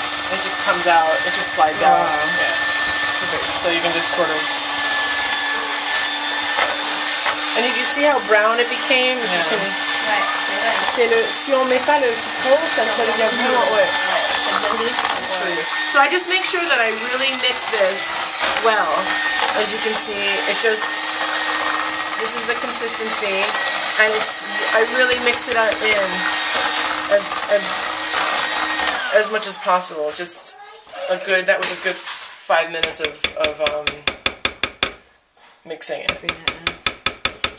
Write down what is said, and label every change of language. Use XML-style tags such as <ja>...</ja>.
<en>It just comes out, it just slides out. Yeah. Okay. So you can just sort of... And did you see how brown it became? Yeah. Can... Right.</en> <fr>C'est le... Si on met pas le citron, ça ne devient plus.</fr> <en>So I just make sure that I really mix this well. As you can see, it just, this is the consistency, and it's, I really mix it up in as much as possible. Just a good, that was a good 5 minutes of mixing it.</en>